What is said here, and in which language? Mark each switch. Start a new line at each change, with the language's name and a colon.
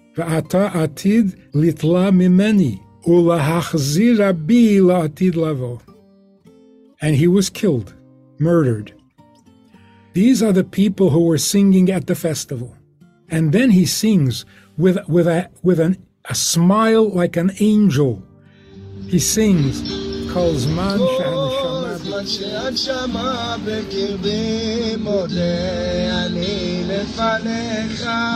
Hebrew: ואתה עתיד לתלה ממני, ולהחזיר בי לעתיד לבוא.
English: And he was killed, murdered. These are the people who were singing at the festival. And then he sings with a smile like an angel. He sings,
Hebrew: כל זמן שאת שמה בקרבי מודה אני לפניך.